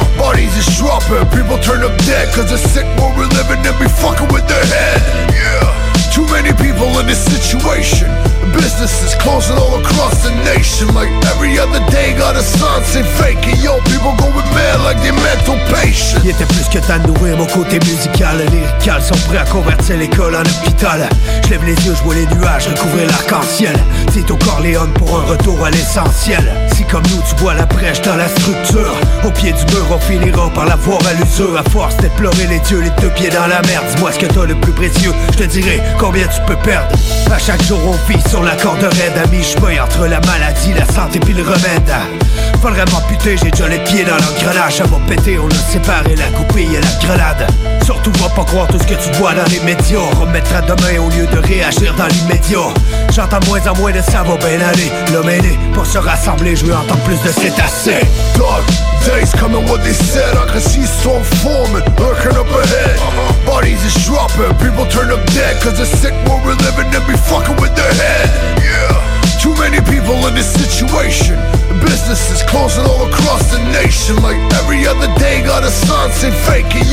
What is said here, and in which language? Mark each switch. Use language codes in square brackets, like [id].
[en] Bodies is dropping, people turn up dead. Cause the sick world we're living in be fucking with their head. Yeah. Too many people in this situation. Businesses closing all across the nation. Like every other day, got a sign saying fake it. Yo, people going mad like they mental patients. [fr] Il était plus que temps de nourrir mon côté musical. Lyrical, sont prêts à convertir l'école en hôpital. Je lève les yeux, je vois les nuages recouvrir l'arc-en-ciel. C'est au Corleone pour un retour à l'essentiel. Si comme nous, tu vois la brèche dans la structure. Au pied du mur, on finira par la voir à l'usure. À force d'explorer les dieux, les deux pieds dans la merde. Dis-moi ce que t'as le plus précieux, je te dirai combien tu peux perdre. À chaque jour, on vit sur la corde raide, à mi-chemin entre la maladie, la santé pis le remède. Faudrait m'amputer, j'ai déjà les pieds dans l'engrenage. Ça va péter, on a séparé la coupille et la grenade. Surtout va pas croire tout ce que tu vois dans les médias. Remettre à demain au lieu de réagir dans l'immédiat. J'entends moins en moins de ça va bien aller. L'homme est né pour se rassembler, je veux entendre plus de cétacés. [en] Dark days coming what they said. I can see storm forming, lurking up ahead. Bodies is dropping, people turn up dead. Cause the sick world we're living in be fucking with their head. Yeah. Too many people in this situation. Businesses closing all across the nation. Like every other day, got a sign saying fake it.